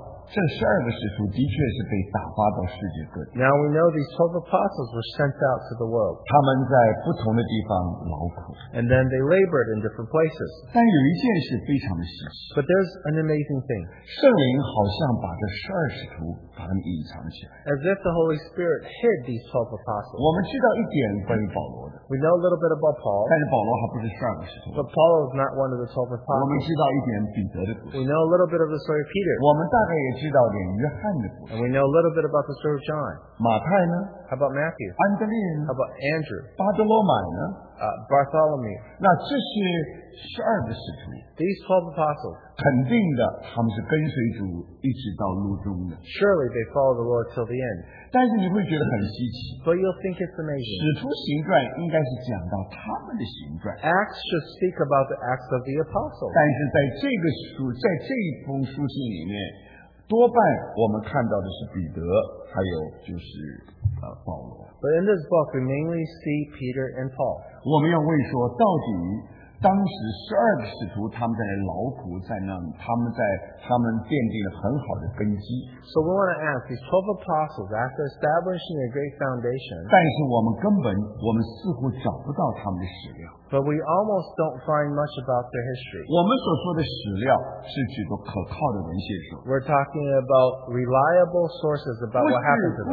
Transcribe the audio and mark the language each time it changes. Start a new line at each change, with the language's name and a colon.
Chinese: 这十二个使徒的确是被打发到世界各地。
English: Now we know these 12 apostles were sent out to the world.
Chinese: 他们在不同的地方劳苦。
English: And then they labored in different places.
Chinese: 但有一件事非常的稀奇。
English: But there's an amazing thing.
Chinese: 圣灵好像把这十二使徒把他们隐藏起来。
English: As if the Holy Spirit hid these 12 apostles.
Chinese: 我们知道一点关于保罗的。
English: We know a little bit about Paul.
Chinese: 但是保罗还不是十二个使徒。
English: But Paul is not one of the 12 apostles.
Chinese: 我们知道一点彼得的故事。
English: We know a little bit of the story of Peter.
Chinese: 我们大概也知道点约翰的故事。
English: And we know a little bit about the story of John.
Chinese: 马太呢？
English: How about Matthew?
Chinese: 安德烈。
English: How about Andrew?
Chinese: 巴德罗买呢？
English: Bartholomew.
Chinese: 那这是十二个使徒。
English: These 12 apostles.
Chinese: 肯定的，他们是跟随主一直到路终的。
English: Surely they follow the Lord till the end.
Chinese: 但是你会觉得很稀奇。
English: But you'll think it's amazing.
Chinese: 使徒行传应该是讲到他们的行传。
English: Acts should speak about the acts of the apostles.
Chinese: 但是在这个书，在这一封书信里面。多半我们看到的是彼得，还有就是保罗。
English: But in this book, we mainly see Peter and Paul.
Chinese: 我们要问说，到底当时十二个使徒他们在劳苦在那里，他们奠定了很好的根基。
English: So we want to ask these 12 apostles after establishing a great foundation.
Chinese: 但是我们似乎找不到他们的史料。
English: But we almost don't find much about their history.
Chinese: 我们所说的史料是指的可靠的文献书。
English: We're talking about reliable sources about what happened to them.